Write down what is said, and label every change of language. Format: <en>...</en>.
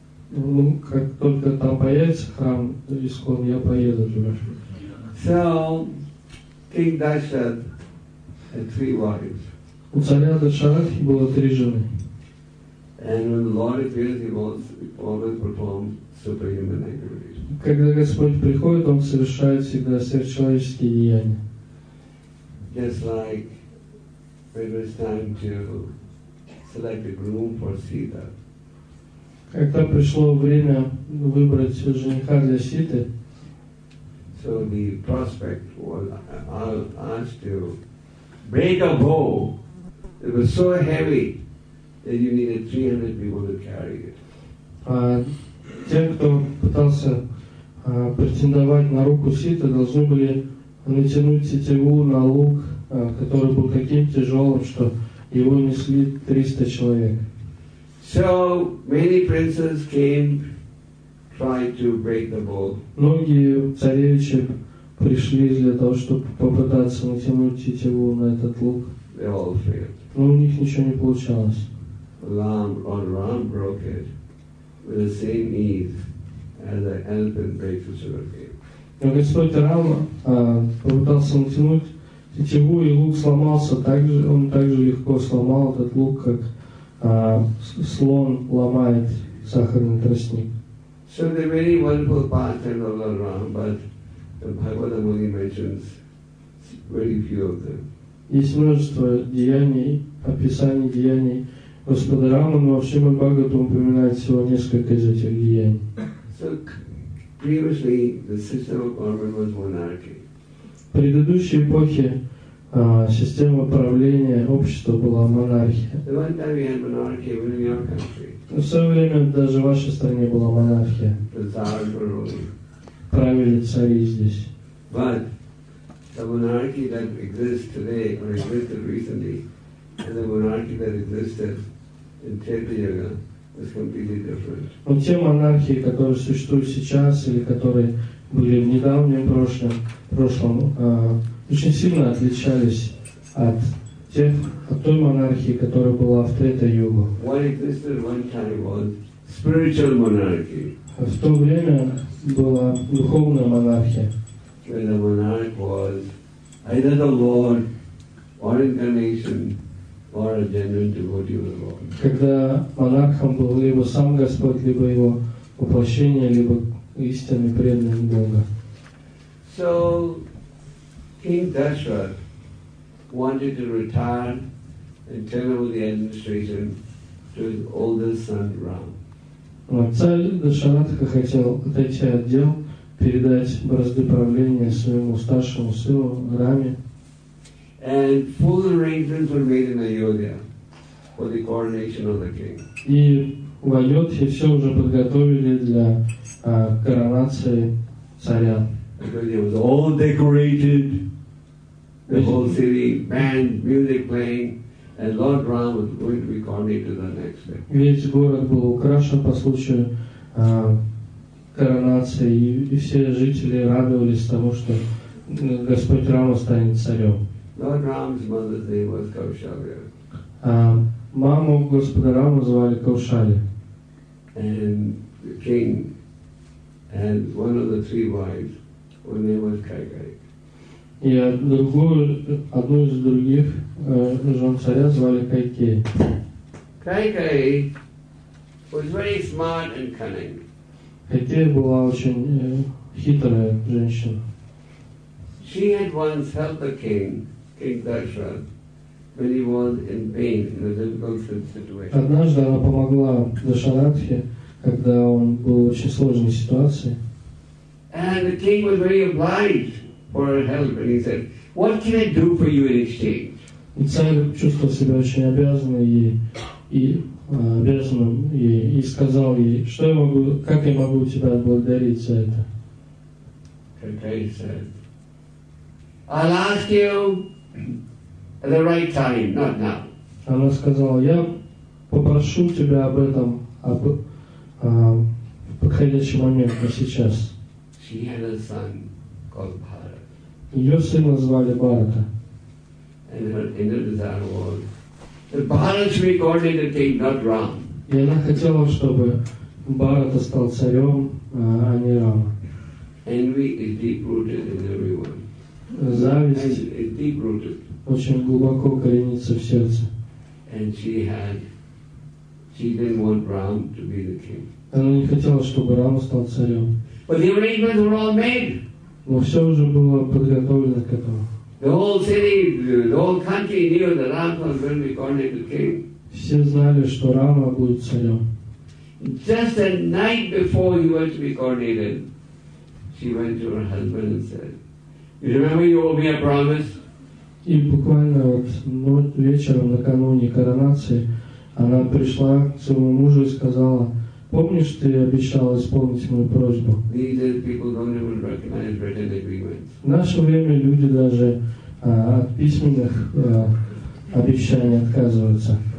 <ru>Ну, как только там появится храм ИСККОН, я поеду туда.</ru> <en>King Dasharatha had three wives.</en> <ru>У царя Дашаратхи было три жены.</ru> <en>And when the Lord appears, He always performs superhuman activities.</en> <ru>Когда Господь приходит, Он совершает всегда сверхчеловеческие деяния.</ru> <en>Just like when it was time to select a groom for Sita.</en> <ru>Когда пришло время выбрать жениха для Ситы.</ru> <en>So the prospect was asked to break a bow. It was so heavy that you needed 300 people to carry it.</en> <ru>Те, кто пытался претендовать на руку Ситы, должны были натянуть тетиву на лук, который был таким тяжелым, что его несли 300 человек.</ru> <en>So many princes came. Tried to break the bow.</en> <ru>Многие царевичи пришли для того, чтобы попытаться натянуть тетиву на этот лук.</ru> <en>They all failed.</en> <ru>Но у них ничего не получалось.</ru> <en>Ram broke it with the same ease as an elephant breaks a sugar cane.</en> <ru>Но Господь Рама попытался натянуть тетиву, и лук сломался. Также, он также легко сломал этот лук, как слон ломает сахарный тростник.</ru> <en>So the very wonderful pastimes of Lord Ram, but the Bhagavad Gita mentions very few of them.</en> <ru>Есть множество деяний, описаний деяний Господа Рамы, но в Шримад Бхагаватам упоминает всего несколько из этих деяний.</ru> <en>So, previously, the system of government was monarchy.</en> <ru>В предыдущей эпохе система правления общества была монархия.</ru> <en>The one time we had monarchy was in your country.</en> <ru>В свое время даже в вашей стране была монархия.</ru> <en>The Tsars were ruling.</en> <ru>Правили цари здесь.</ru> <en>But the monarchy that exists today, or existed recently, and the monarchy that existed in Chaitanya, is completely different.</en> <ru>Но те монархии, которые существуют сейчас, или которые были в недавнем прошлом, очень сильно отличались от тех, от той монархии, которая была в Трета-югу.</ru> <en>What existed one time was spiritual monarchy.</en> <ru>В то время была духовная монархия.</ru> <en>Where the monarch was either the Lord or incarnation or a genuine devotee of the Lord.</en> <ru>Когда монархом был либо сам Господь, либо его воплощение, либо истинный преданный Бога.</ru> <en>So King Dashrath wanted to retire and turn over the administration to his oldest son Ram.</en> <ru>Царь Дашаратха хотел отойти от дел, передать бразды правления своему старшему сыну Раме.</ru> <en>And full arrangements were made in Ayodhya for the coronation of the king.</en> <ru>И в Айодхе все уже подготовили для коронации царя.</ru> <en>Ayodhya was all decorated, the whole city, band, music playing. And Lord Ram was going to be coronated the next day.</en> <ru>Весь город был украшен по случаю коронации, и все жители радовались тому, что Господь Рама станет царем.</ru> <en>Lord Ram's mother's name was Kaushalya.</en> <ru>Маму Господа Рама звали Каушали.</ru> <en>And the king and one of the three wives, her name was Kaikai.</en> <ru>И одну из других жен царя звали Кайкеи.</ru> <en>Кайкеи was very smart and cunning.</en> <ru>Кайкеи была очень хитрая женщина.</ru> <en>She had once helped the king, King Dashrath, when he was in pain, in a difficult situation.</en> <ru>Однажды она помогла Дашаратхе, когда он был в очень сложной ситуации.</ru> <en>And the king was very obliged for help, and he said, "What can I do for you in exchange?"</en> <ru>Царь чувствовал себя очень обязанным и сказал ей, что я могу, как я могу тебя отблагодарить за это.</ru> <en>Kaikeyi said, "I'll ask you at the right time, not now."</en> <ru>Она сказала, я попрошу тебя об этом в подходящий момент, не сейчас.</ru> <en>She had a son called Bhara.</en> <ru>Ее сына звали Бхарата.</ru> <en>And her inner desire was that Bhara should be coronated king, not Ram.</en> <ru>И она хотела, чтобы Бхарата стал царем, а не Рама.</ru> <en>Envy is deep rooted in everyone.</en> <ru>Зависть очень глубоко коренится в сердце.</ru> <en>And she didn't want Ram to be the king.</en> <ru>Она не хотела, чтобы Рама стал царем.</ru> <en>But the arrangements were all made.</en> <ru>Но все уже было подготовлено к этому.</ru> <en>The whole city, the whole country knew that Rama was going to be coronated king.</en> <ru>Все знали, что Рама будет царем.</ru> <en>Just the night before he was to be coronated, she went to her husband and said, "You remember you owe me a promise?"</en> <ru>И буквально вот вечером накануне коронации она пришла к своему мужу и сказала: помнишь, ты обещал исполнить мою просьбу? В наше время люди даже от письменных обещаний отказываются.</ru>